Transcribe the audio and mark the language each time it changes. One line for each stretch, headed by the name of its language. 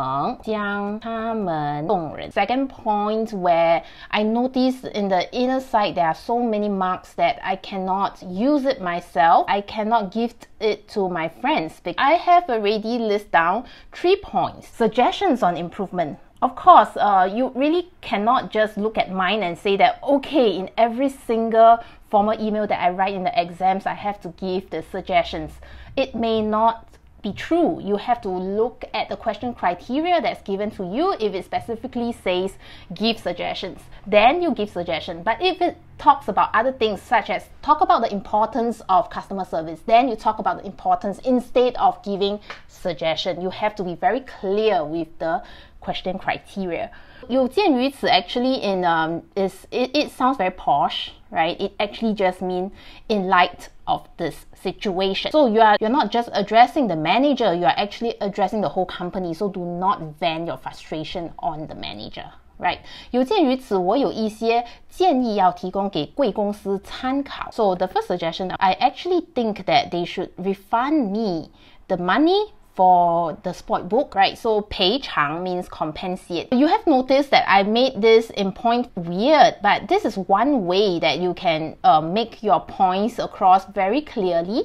Chinese: 当我翻开书本时发现一些书本里这样一来我就没法使用这些书本更不可能将它们送人.
English: Second point where I noticed in the inner side there are so many marks that I cannot use it myself. I cannot gift it to my friends because I have already listed down 3 points. Suggestions on improvement. Of course, you really cannot just look at mine and say that, okay, in every single formal email that I write in the exams, I have to give the suggestions. It may not be true. You have to look at the question criteria that's given to you. If it specifically says give suggestions, then you give suggestions. But if it talks about other things such as talk about the importance of customer service, then you talk about the importance instead of giving suggestion. You have to be very clear with the question criteria.
Chinese: 有鉴于此,
English: actually, in it sounds very posh, right? It actually just means in light of this situation. So you're not just addressing the manager, you are actually addressing the whole company. So do not vent your frustration on the manager. Right.
Chinese: 有鉴于此, 我有一些建议要提供给贵公司参考.
English: So the first suggestion, I actually think that they should refund me the money for the spoiled book, right? So 赔偿 means compensate. You have noticed that I made this in point weird, but this is one way that you can make your points across very clearly.